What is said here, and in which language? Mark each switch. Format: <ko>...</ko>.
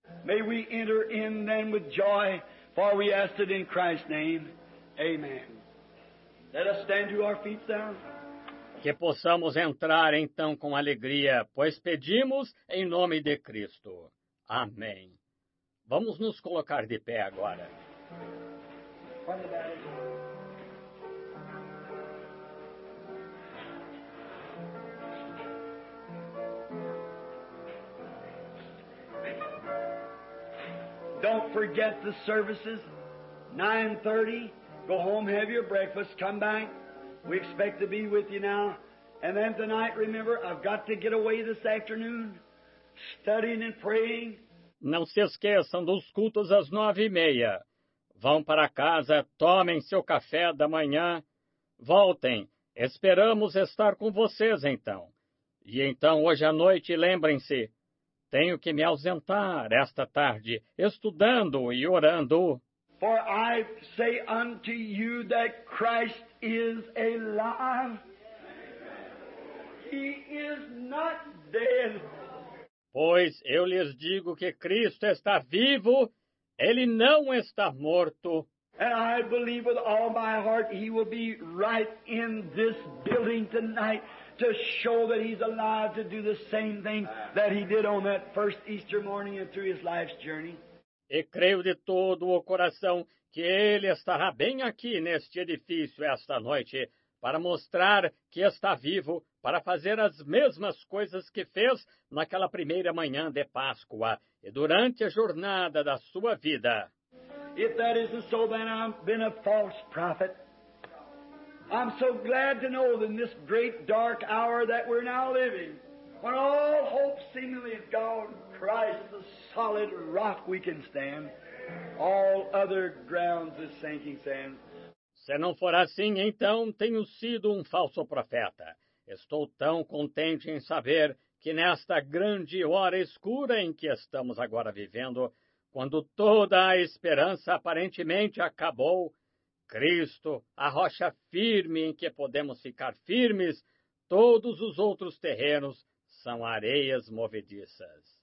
<en>May we enter in then with joy, for we ask it in Christ's name. Amen. Let us stand to our feet now.</en> <pt>Que possamos entrar então com alegria, pois pedimos em nome de Cristo. Amém. Vamos nos colocar de pé agora.</pt> <en>forget the services. 9:30, go home, have your breakfast, come back. We expect to be with you now. And then tonight, remember, I've got to get away this afternoon, studying and praying.</en> <pt>Não se esqueçam dos cultos às 9:30. Vão para casa, tomem seu café da manhã, voltem. Esperamos estar com vocês então. E então, hoje à noite, lembrem-se, tenho que me ausentar esta tarde, estudando e orando.</pt> <en>For I say unto you that Christ is alive. He is not dead.</en> <pt>Pois eu lhes digo que Cristo está vivo, ele não está morto.</pt> <en>And I believe with all my heart he will be right in this building tonight to show that he's alive to do the same thing that he did on that first Easter morning and through his life's journey.</en> <pt>E creio de todo o coração que ele estará bem aqui neste edifício esta noite para mostrar que está vivo, para fazer as mesmas coisas que fez naquela primeira manhã de Páscoa e durante a jornada da sua vida.</pt> <en>If that isn't so, then I've been a false prophet. I'm so glad to know that in this great dark hour that we're now living, when all hope seemingly is gone, Christ, the solid rock we can stand, all other grounds is sinking sand.</en> <pt>Se não for assim, então tenho sido um falso profeta. Estou tão contente em saber que nesta grande hora escura em que estamos agora vivendo, quando toda a esperança aparentemente acabou, Cristo, a rocha firme em que podemos ficar firmes, todos os outros terrenos são areias movediças.</pt>